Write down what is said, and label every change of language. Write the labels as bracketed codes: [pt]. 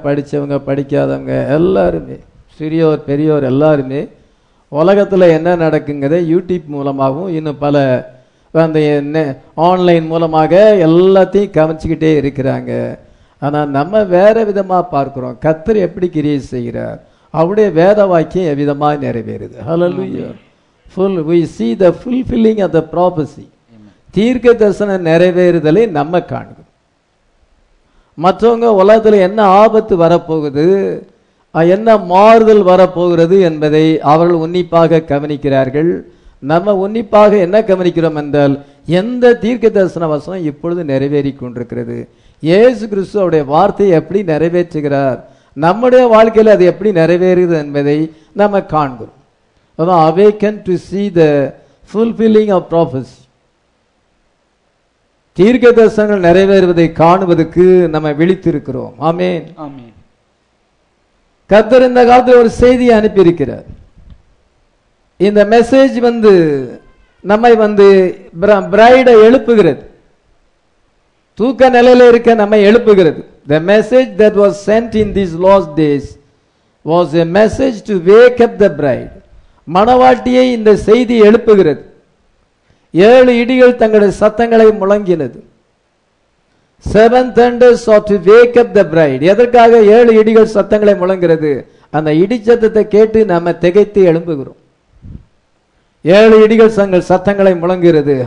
[ta] படித்தவங்க படிக்காதவங்க எல்லாருமே, சிறியோர் பெரியோர் எல்லாருமே உலகத்தில் என்ன நடக்குங்கிறத யூடியூப் மூலமாகவும் இன்னும் பல அந்த என்ன ஆன்லைன் மூலமாக எல்லாத்தையும் கவனிச்சிக்கிட்டே இருக்கிறாங்க. ஆனா நம்ம வேற விதமா பார்க்கிறோம். கர்த்தர் எப்படி கிரியை செய்கிறார், அவருடைய வேத வாக்கியம் எவ்விதமாய் நிறைவேறுது. ஹல்லேலூயா. [en] Full, we see the fulfilling of the prophecy. [ta] தீர்க்க தரிசனம் நிறைவேறுதலை நம்ம காண்கிறோம். மற்றவங்க உலகத்தில் என்ன ஆபத்து வரப்போகுது, என்ன மாறுதல் வரப்போகிறது என்பதை அவர்கள் உன்னிப்பாக கவனிக்கிறார்கள். நம்ம உன்னிப்பாக என்ன கவனிக்கிறோம் என்றால், எந்த தீர்க்க தரிசன வசனம் இப்பொழுது நிறைவேறி கொண்டிருக்கிறது, இயேசு கிறிஸ்து அவருடைய வார்த்தையை எப்படி நிறைவேற்றுகிறார், நம்முடைய வாழ்க்கையில் அது எப்படி நிறைவேறுது என்பதை நம்ம காண்கிறோம். [en] Awaken to see the fulfilling of prophecy. [ta] தீர்க்கதரிசனங்கள் நிறைவேறுவதை காணுவதற்கு நம்ம விழித்திருக்கிறோம். ஆமென். ஆமென். கர்த்தர் இந்த காலத்தில் ஒரு செய்தியை அனுப்பியிருக்கிறார். இந்த மெசேஜ் வந்து நம்மை வந்து பிரைடை எழுப்புகிறது, தூக்க நிலையில இருக்க நம்மை எழுப்புகிறது. [en] The message that was sent in these last days was a message to wake up the bride. [ta] மணவாட்டியை இந்த செய்தி எழுப்புகிறது. ஏழு இடிகள் தங்களுடைய சத்தங்களை முழங்கினது. [en] Seven thunders ought to wake up the bride. [ta] எதற்காக ஏழு இடிகள் சத்தங்களை முழங்கிறது? அந்த இடிச்சத்தத்தை கேட்டு நாம திகைத்து எழும்புகிறோம். ஏழு இடிகள் தங்கள் சத்தங்களை முழங்குகிறது.